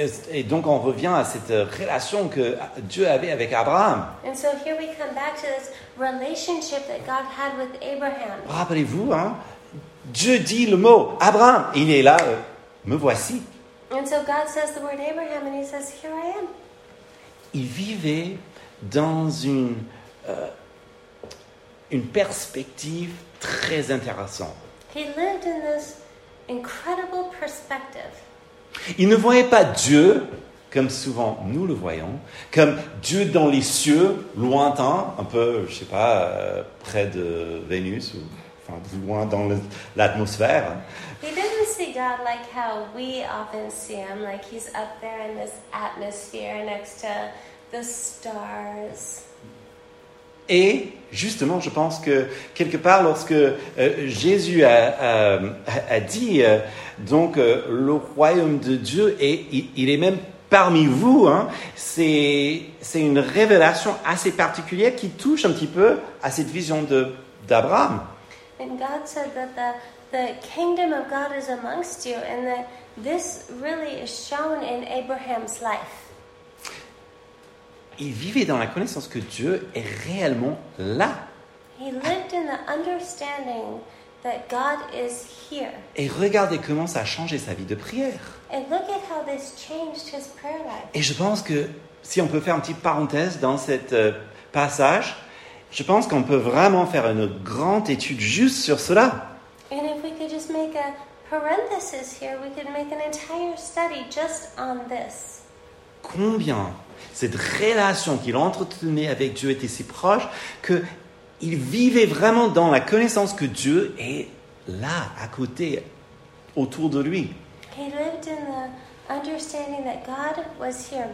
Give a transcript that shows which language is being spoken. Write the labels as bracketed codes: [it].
[fr] Et donc, on revient à cette relation que Dieu avait avec Abraham. [en] And so here we come back to this relationship that God had with Abraham. [fr] Rappelez-vous, hein, Dieu dit le mot Abraham, il est là, me voici. [en] And so God says the word Abraham and he says, here I am. [fr] Il vivait dans une perspective très intéressante. [en] He lived in this incredible perspective. [fr] Il ne voyait pas Dieu, comme souvent nous le voyons, comme Dieu dans les cieux, lointain, un peu, je ne sais pas, près de Vénus, ou enfin, loin dans l'atmosphère. [en] He didn't see God like how we often see him, like he's up there in this atmosphere next to the stars. [fr] Et justement, je pense que quelque part, lorsque Jésus a dit, donc le royaume de Dieu est, il est même parmi vous, hein, c'est une révélation assez particulière qui touche un petit peu à cette vision d'Abraham. [en] And God said that the kingdom of God is amongst you, and that this really is shown in Abraham's life. [fr] Il vivait dans la connaissance que Dieu est réellement là. [en] He lived in the understanding that God is here. [fr] Et regardez comment ça a changé sa vie de prière. [en] And look at how this changed his prayer life. [fr] Et je pense que, si on peut faire une petite parenthèse dans cet passage, je pense qu'on peut vraiment faire une grande étude juste sur cela. [en] And if we could just make a parenthesis here, we could make an entire study just on this. [fr] Combien cette relation qu'il entretenait avec Dieu était si proche qu'il vivait vraiment dans la connaissance que Dieu est là, à côté, autour de lui. [en] He lived in the understanding that God was here.